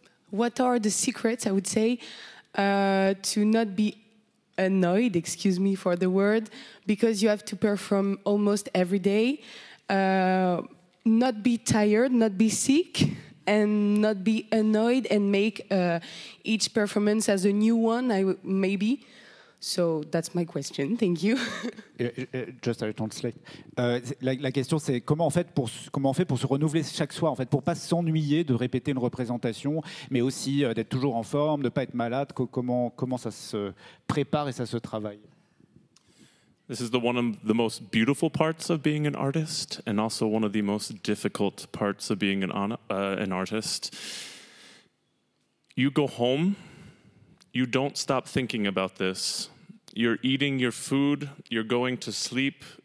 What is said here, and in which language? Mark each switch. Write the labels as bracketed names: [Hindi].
[English] What are the secrets, I would say, to not be annoyed, excuse me for the word, because you have to perform almost every day, not be tired, not be sick, and not be annoyed and make each performance as a new one, maybe. So that's my question. Thank you. Just to translate. [French] La question, c'est comment on fait pour se renouveler chaque soir, en fait, pour pas s'ennuyer de répéter une représentation, mais aussi d'être toujours en forme, de pas être malade. Comment ça se prépare et ça se travaille? [English] This is one of the most beautiful parts of being an artist, and also one of the most difficult parts of being an artist. You go home. You don't stop thinking about this. You're eating your food, you're going to sleep.